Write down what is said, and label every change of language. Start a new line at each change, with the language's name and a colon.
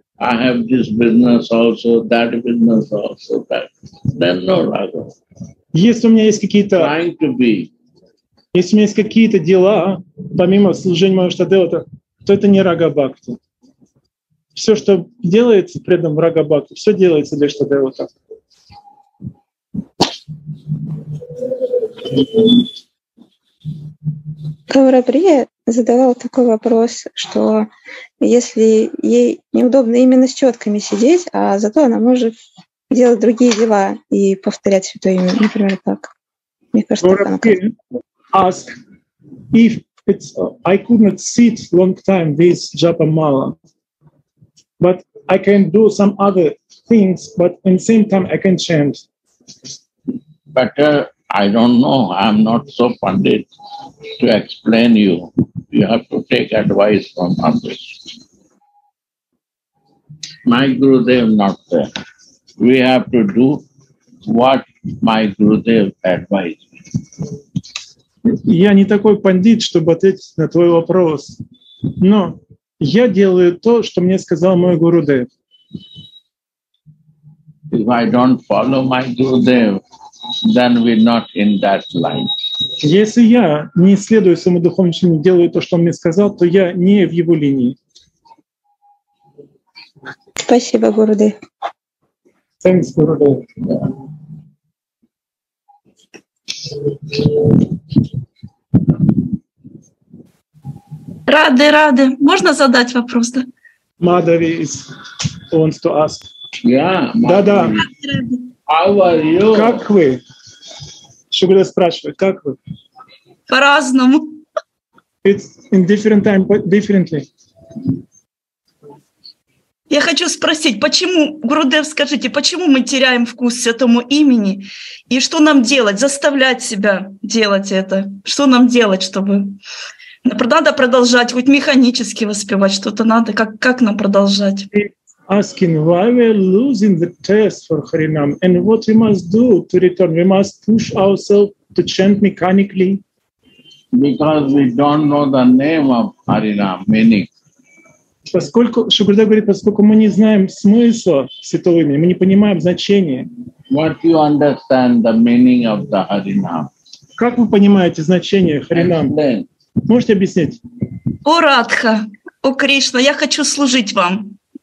English: I have this business also, that business also, that. Then no raga.
Russian: Если у меня есть какие-то...
English: Trying to be.
Russian: Если у меня есть какие-то дела, помимо служения моего штадевата, то это не рага-бхакти. Все, что делается преданным рага-бхакти, все делается для штадевата. Каврабрия задавала такой вопрос, что если ей неудобно именно с четками сидеть, а зато она может делать другие дела и повторять святое имя, например, так. Мне кажется, так она как-то...
English: Ask, if it's, I could not sit long time with Japa Mala, but I can do some other things, but in same time I can chant. Better, I don't know, I'm not so pundit. To explain you, you have to take advice from others. My Gurudev not there. We have to do what my Gurudev advised.
Russian: Я не такой пандит, чтобы ответить на твой вопрос. Но я делаю то, что мне сказал мой Гурудев.
English: If I don't follow my Gurudev, then we're not in that line.
Russian: Если я не следую своему духовному учению, делаю то, что он мне сказал, то я не в его линии. Спасибо, Гуруде.
English: Thanks, Гуруде.
Russian: Рады, рады. Можно задать вопрос? Да?
English: Madhavi wants to ask. Yeah,
Russian: да-да.
English: How are you?
Russian: Как вы? Шугуда спрашивает, как вы? По-разному.
English: It's in different time, but differently.
Russian: Я хочу спросить, почему, Гурудев, скажите, почему мы теряем вкус святому имени? И что нам делать? Заставлять себя делать это? Что нам делать, чтобы... Надо продолжать, хоть механически воспевать, что-то надо. Как нам продолжать?
English: Asking why we are losing the test for Harinam and what we must do to return. We must push ourselves to chant mechanically. Because we don't know the name of Harinam, meaning.
Russian: Поскольку, Шукрадев говорит, поскольку мы не знаем смысла святого имени, мы не понимаем значение.
English: What you understand the meaning of the Harinam?
Russian: Как вы понимаете значение Харинам?
English: Explain.
Russian: Можете объяснить? О, Радха, о, Кришна, я хочу служить вам.